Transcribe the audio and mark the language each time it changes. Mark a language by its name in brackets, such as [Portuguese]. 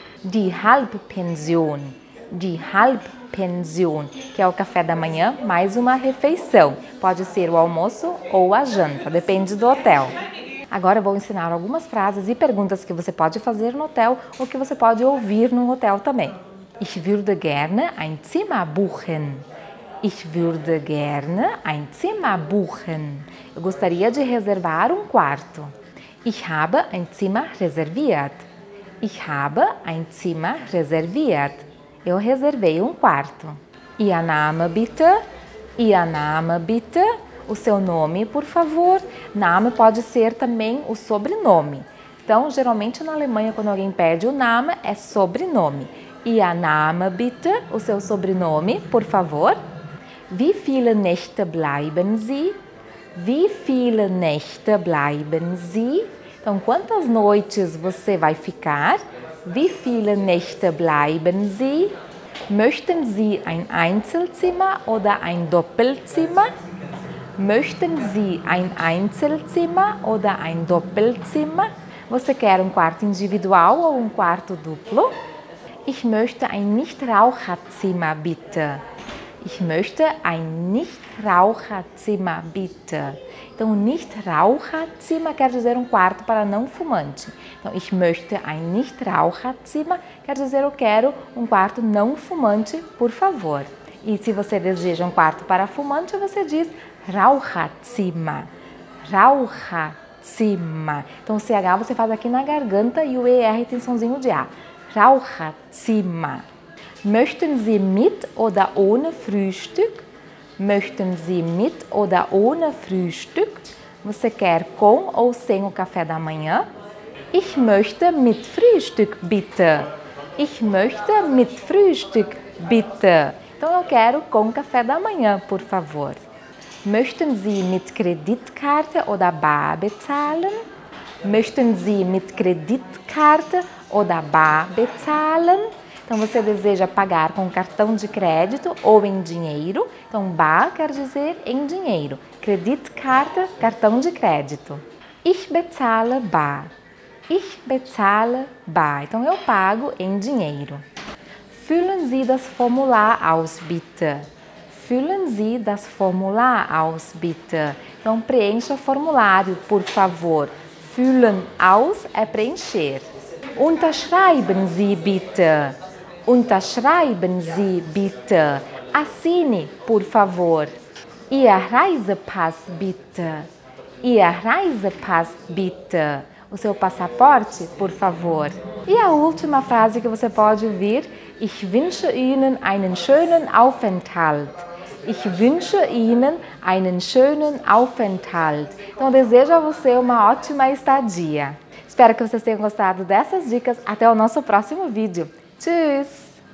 [German] Die Halbpension. Die Halbpension. [Portuguese] Que é o café da manhã mais uma refeição. Pode ser o almoço ou a janta, depende do hotel. Agora eu vou ensinar algumas frases e perguntas que você pode fazer no hotel ou que você pode ouvir no hotel também. [German] Ich würde gerne ein Zimmer buchen. Ich würde gerne ein Zimmer buchen. [Portuguese] Eu gostaria de reservar um quarto. [German] Ich habe ein Zimmer reserviert. Ich habe ein Zimmer reserviert. [Portuguese] Eu reservei um quarto. [German] Ihr Name bitte. Ihr Name bitte. [Portuguese] O seu nome, por favor. Name pode ser também o sobrenome. Então, geralmente na Alemanha, quando alguém pede o Name, é sobrenome. [German] Ihr Name bitte, [Portuguese] o seu sobrenome, por favor. [German] Wie viele Nächte bleiben Sie? Wie viele Nächte bleiben Sie? [Portuguese] Então, quantas noites você vai ficar? [German] Wie viele Nächte bleiben Sie? Möchten Sie ein Einzelzimmer oder ein Doppelzimmer? Möchten Sie ein Einzelzimmer oder ein Doppelzimmer? [Portuguese] Você quer um quarto individual ou um quarto duplo? [German] Ich möchte ein Nichtraucherzimmer, bitte. Ich möchte ein Nichtraucherzimmer, bitte. [Portuguese] Então, Nichtraucherzimmer quer dizer um quarto para não fumante. Então, [German] ich möchte ein Nichtraucherzimmer [Portuguese] quer dizer eu quero um quarto não fumante, por favor. E se você deseja um quarto para fumante, você diz Raucherzimmer. Raucherzimmer. Então, o CH você faz aqui na garganta e o ER tem sonzinho de A. [German] Raucherzimmer. Möchten Sie mit oder ohne Frühstück? Möchten Sie mit oder ohne Frühstück? [Portuguese] Você quer com ou sem o café da manhã? [German] Ich möchte mit Frühstück, bitte. Ich möchte mit Frühstück, bitte. [Portuguese] Então eu quero com café da manhã, por favor. [German] Möchten Sie mit Kreditkarte oder bar bezahlen? Möchten Sie mit Kreditkarte oder bar bezahlen? [Portuguese] Então você deseja pagar com cartão de crédito ou em dinheiro? Então bar quer dizer em dinheiro. Kreditkarte, cartão de crédito. [German] Ich bezahle bar. Ich bezahle bar. [Portuguese] Então eu pago em dinheiro. [German] Füllen Sie das Formular aus, bitte. Füllen Sie das Formular aus, bitte. [Portuguese] Então preencha o formulário, por favor. Füllen aus é preencher. [German] Unterschreiben Sie bitte. Unterschreiben Sie bitte. [Portuguese] Assine, por favor. [German] Ihr Reisepass bitte. Ihr Reisepass bitte. [Portuguese] O seu passaporte, por favor. E a última frase que você pode ouvir: [German] Ich wünsche Ihnen einen schönen Aufenthalt. Ich wünsche Ihnen einen schönen Aufenthalt. [Portuguese] Então, desejo a você uma ótima estadia. Espero que vocês tenham gostado dessas dicas. Até o nosso próximo vídeo. Tschüss!